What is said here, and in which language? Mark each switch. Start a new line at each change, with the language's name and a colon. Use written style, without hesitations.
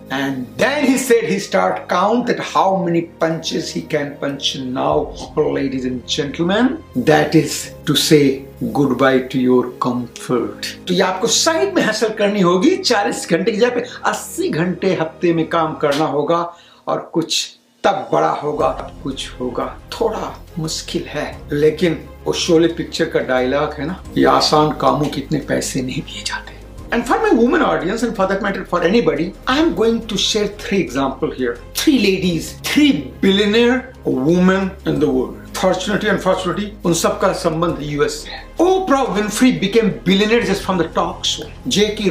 English: And then he said he start counted how many punches he can punch now, ladies and gentlemen. That is to say goodbye to your comfort.
Hindi: तो ये आपको side में hustle करनी होगी, 40 घंटे की जगह पे 80 घंटे हफ्ते में काम करना होगा और कुछ तब बड़ा होगा, कुछ होगा. थोड़ा मुश्किल है, लेकिन वो शोले पिक्चर का डायलॉग है ना, ये आसान कामों के इतने पैसे नहीं दिए जाते.
English: And for my woman audience, and for that matter, for anybody, I am going to share three examples here. Three ladies, three billionaire women in the world. Fortunately, unfortunately,
Hindi: un sabka sambandh US hai.
English: Oprah Winfrey became billionaire just from the talk show. J.K.